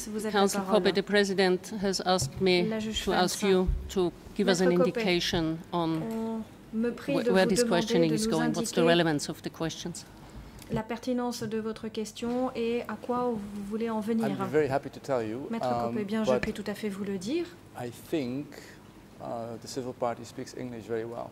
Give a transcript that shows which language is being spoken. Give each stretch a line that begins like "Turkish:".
English: Council Koppe, the President has asked me to ask you to give us an indication on where this questioning is going, what's the relevance of the questions.
French: La pertinence de votre question et à quoi vous voulez en venir.
English: I'm very happy to tell you.
French: Maître Koppe, bien, je peux tout à fait vous le dire.
English: I think the civil party speaks English very well.